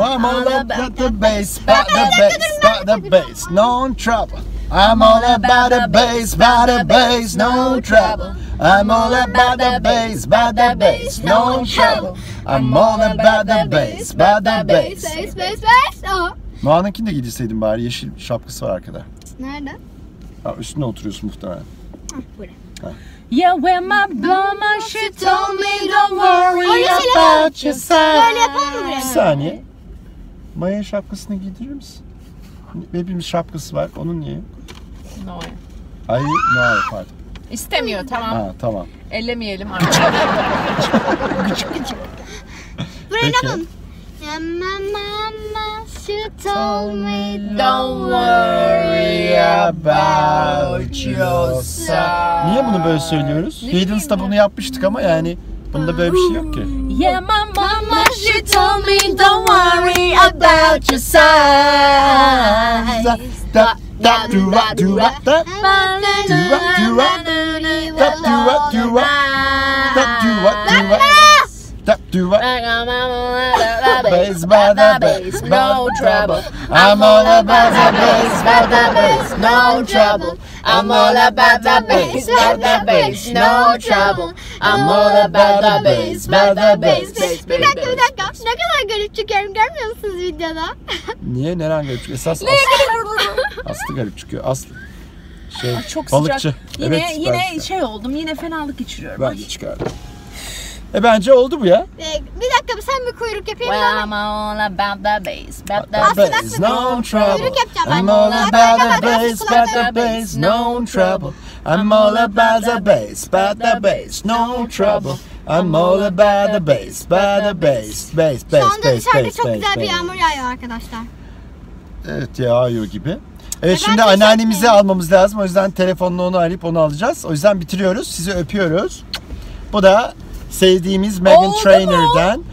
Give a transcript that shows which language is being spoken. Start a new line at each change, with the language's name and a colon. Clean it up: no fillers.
English: I'm all about the bass, about the bass, about the bass, no trouble. I'm all about the bass, about the bass, no trouble. I'm all about the bass, about the bass, no trouble. I'm all about the bass, about the bass.
Turkish: Muhan'ınkini de giydirseydin bari, yeşil şapkası var arkada. Nerede? Ha, üstüne oturuyorsun muhtemelen.
English: Yeah, when my mama, she told me don't worry about your size.
Turkish: Böyle yapalım mı? Bir saniye. Maya şapkasını giydirir misin? Hepimiz şapkası var. Onun niye? Noah. Ay, Noah pardon. İstemiyor, tamam. Ha, tamam. Ellemeyelim artık. Gıcık gıcık. Peki.
English: Yeah, my mama, she told me don't worry about your size.
Turkish: Niye bunu böyle söylüyoruz? Hayden's'ta bunu yapmıştık ama yani bunda böyle bir şey yok ki.
English: Yeah, my mama, she told me don't worry about your size. Da, da, do, da, do, da, da, da, da, do, da, do, da, Tap do what? Bass, bass, bass, bass, no trouble. I'm all about the bass, bass, bass, bass, no trouble. I'm all about the bass, bass, bass, bass, no trouble. I'm all about the bass, bass, bass, bass.
Turkish: Bir dakika, bir dakika. Ne kadar garip çıkıyorum, görmüyor musunuz videoda? Niye? Neden garip çıkıyor? Esas Aslı. Aslı garip çıkıyor. Aslı. Şey, çok balıkçı. Evet, yine şey oldum, yine fenalık içiriyorum. Ben de çıkardım. Bence oldu bu ya. Bir dakika, sen bir kuyruk yapayım.
English: Well, I'm all about the bass, about the bass, no trouble. I'm all about the bass, about the bass, no trouble. I'm all about the bass, about the bass, no trouble. I'm all about the bass, about the bass, bass, bass, bass, bass.
Turkish: Şu anda dışarıda çok güzel bir yağmur yağıyor arkadaşlar. Evet, yağıyor gibi. Evet, şimdi anneannemizi almamız lazım. O yüzden telefonla onu arayıp onu alacağız. O yüzden bitiriyoruz. Sizi öpüyoruz. Bu da sevdiğimiz Megan Trainor'dan.